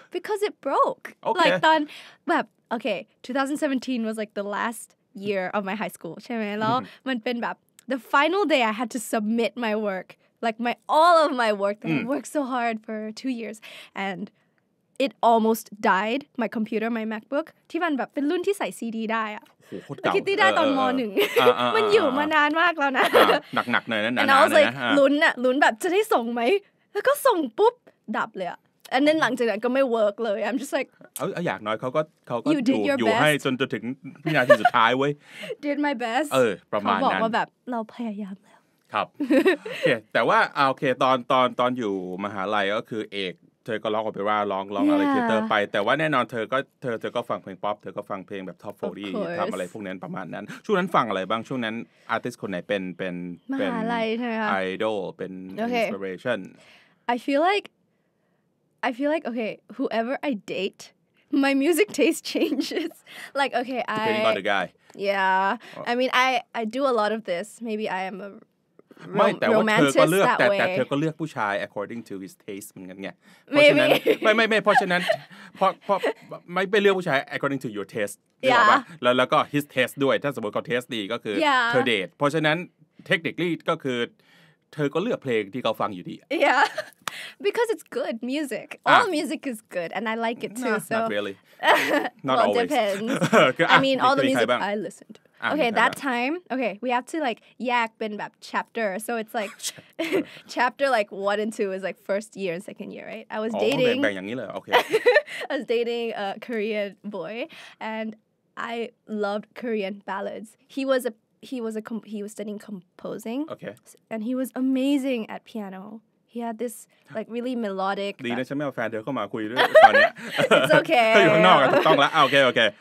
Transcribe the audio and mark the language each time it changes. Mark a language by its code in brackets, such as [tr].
[en] because it broke like [th] ตอนแบบโอเค [en] 2017 was like the last year of my high school [th] ใช่มั้ยแล้วมันเป็นแบบ [en] the final day I had to submit my work like my all of my work that I worked so hard for 2 years andit almost died my computer my macbook [th] ที่มันแบบเป็นรุ่นที่ใส่ซีดีได้อ่ะ โหโคตรเก่า คิดที่ได้ตอนม1มันอยู่มานานมากแล้วนะ หนักๆหน่อยนั้นนะ นะแล้วก็ลุ้นอ่ะลุ้นแบบจะได้ส่งมั้ยแล้วก็ส่งปุ๊บดับเลยอ่ะ [en] and then [th] หลังจากนั้นก็ไม่เวิร์คเลย [en] I'm just like [th] อยากน้อยเค้าก็อยู่ให้จนถึงวินาทีสุดท้ายเว้ย [en] did my best [th] เออประมาณนั้น บอกว่าแบบเราพยายามแล้ว ครับโอเคแต่ว่าโอเคตอนอยู่มหาลัยก็คือเอกเธอก็ร้องออกไปว่าร้องอะไรเธอไปแต่ว่าแน่นอนเธอก็ฟังเพลงป๊อปเธอก็ฟังเพลงแบบท็อป40ทำอะไรพวกนั้นประมาณนั้นช่วงนั้นฟังอะไรบ้างช่วงนั้นอาร์ติสต์คนไหนเป็น มหาลัยใช่ไหมคะ ไอดอลเป็นอินสปิเรชั่น [en] I feel like okay whoever I date my music taste changes like okay I depending on the guy yeah I mean I do a lot of this maybe I am aa [th] ไม่แต่ว่าเธอก็เลือกแต่เธอก็เลือกผู้ชาย [en] according to his taste [th] เหมือนกันไงเพราะฉะนั้ นไม่เพราะฉะนั้นเพราะไม่ไปเลือกผู้ชาย [en] according to your taste [th] ใช่ป่ะแล้วก็ [en] his taste [th] ด้วยถ้าสมมติเขา taste ดีก็คือเธอเดทเพราะฉะนั้น technically ก็คือเธอก็เลือกเพลงที่เขาฟังอยู่ดี [en] yeah because it's good music all music is good and I like it too so not really not always depends I mean all the music I listened toOkay, that time, okay, we have to, like, yak bin bap chapter. So it's, like, chapter, like, 1 and 2 is, like, first year and second year, right? I was dating... Okay. I was dating a Korean boy, and I loved Korean ballads. He was studying composing. Okay. And he was amazing at piano. He had this like really melodic. [th] ดีนะฉันไม่เอาแฟนเธอเข้ามาคุยด้วยตอนนี้ [en] It's okay. [th] อยู่ข้างนอกถูกต้องแล้วโอเค